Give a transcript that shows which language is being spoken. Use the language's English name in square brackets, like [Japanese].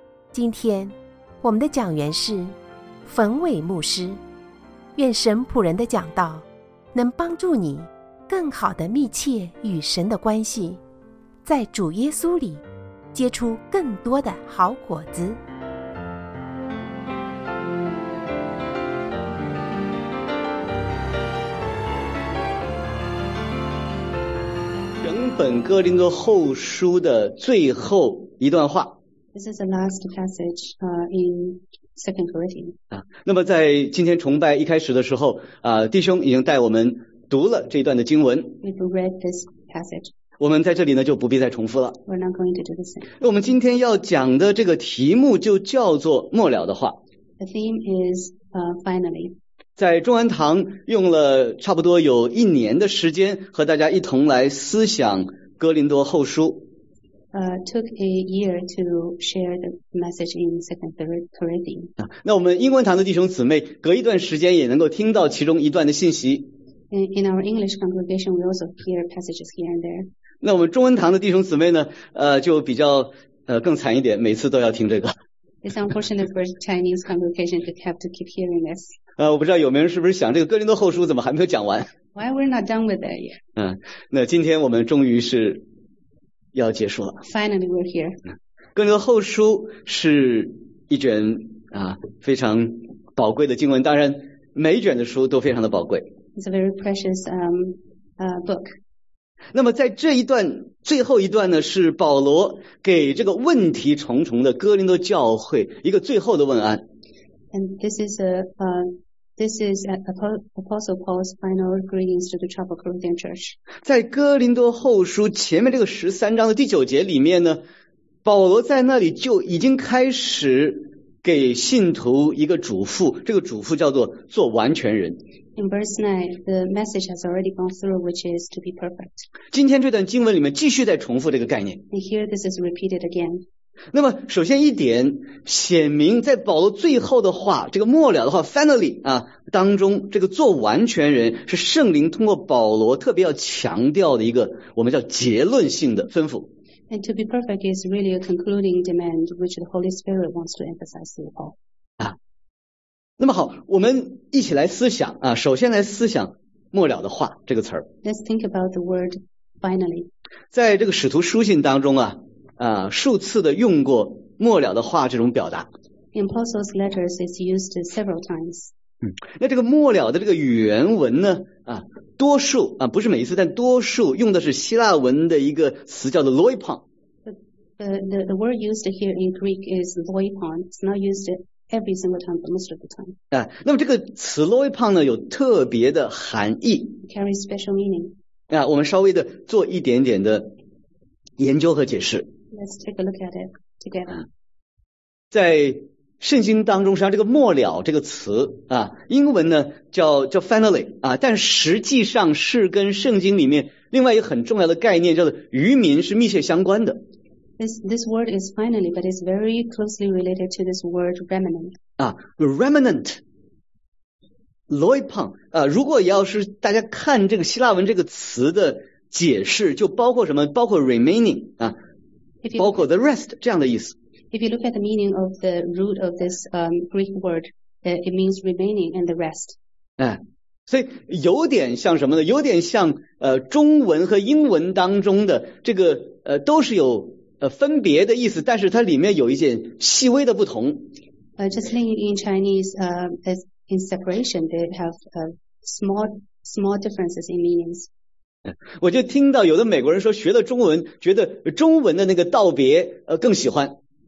[Chinese] 今天我们的讲员是冯伟牧师，愿神仆人的讲道能帮助你更好地密切与神的关系，在主耶稣里结出更多的好果子。整本哥林多后书的最后一段话。 [English] This is the last passage in Second Corinthians. [Chinese] 那么在今天崇拜一开始的时候，弟兄已经带我们读了这段的经文。 [English] We've read this passage. [Chinese] 我们在这里呢就不必再重复了。 [English] We're not going to do the same. [Chinese] 我们今天要讲的这个题目就叫做末了的话。 [English] The theme is, finally. [Chinese] 在中安堂用了差不多有一年的时间和大家一同来思想哥林多后书。 [English] Took a year to share the message in Second Corinthians. [Chinese] 那我们英文堂的弟兄姊妹隔一段时间也能够听到其中一段的信息。 [English] In our English congregation, we also hear passages here and there. [Chinese] 那我们中文堂的弟兄姊妹呢，就比较更惨一点，每次都要听这个。 [English] It's unfortunate for Chinese congregation to have to keep hearing this. [Chinese] 我不知道有没有人是不是想这个哥林多后书怎么还没有讲完 [English] ？Why we're not done with that yet？ [Chinese] 那今天我们终于是要结束了。 [English] Finally, we're here. [Chinese] 哥林多后书是一卷非常宝贵的经文，当然每一卷的书都非常的宝贵。 [English] It's a very precious book. [Chinese] 那么在这一段最后一段呢，是保罗给这个问题重重的哥林多教会一个最后的问安。 [English] And this is Apostle Paul's final greetings to the troubled Corinthian church. [Chinese] 在哥林多后书前面这个十三章的第九节里面呢，保罗在那里就已经开始给信徒一个嘱咐，这个嘱咐叫做做完全人。 [English] In verse 9, the message has already gone through, which is to be perfect. [Chinese] 今天这段经文里面继续在重复这个概念。 [English] And here this is repeated again. [Chinese] 那么首先一点，显明在保罗最后的话，这个末了的话 finally 当中，这个做完全人是圣灵通过保罗特别要强调的一个我们叫结论性的吩咐。 [English] And to be perfect is really a concluding demand which the Holy Spirit wants to emphasize to Paul. [Chinese] 那么好，我们一起来思想啊，首先来思想末了的话这个词儿。 [English] Let's think about the word finally. [Chinese] 在这个使徒书信当中数次的用过末了的话这种表达。 [English] In Paul's letters it's used several times. [Chinese] 那这个末了的这个原文呢多数不是每一次，但多数用的是希腊文的一个词叫做 loipon。 [English] The word used here in Greek is loipon. It's not used every single time, but most of the time. [Chinese] 那么这个词 loipon 呢有特别的含义。 [English] Carries special meaning. [Chinese] 我们稍微的做一点点的研究和解释。 [English] Let's take a look at it together. [Chinese] 在圣经当中实际上这个末了这个词英文呢叫 finally, 但实际上是跟圣经里面另外一个很重要的概念叫做渔民是密切相关的。 [English] This word is finally, but it's very closely related to this word remnant. Remnant. [Chinese] Loipon, 如果要是大家看这个希腊文这个词的解释就包括什么包括 remaining, 包括 the rest, 这样的意思。 [English] If you look at the meaning of the root of this Greek word, it means remaining and the rest. [Chinese] 所以有点像什么呢？有点像中文和英文当中的这个都是有分别的意思，但是它里面有一些细微的不同。 [English] Just in Chinese, in separation, they have small differences in meanings. [Chinese] 我就听到有的美国人说学的中文，觉得中文的那个道别更喜欢。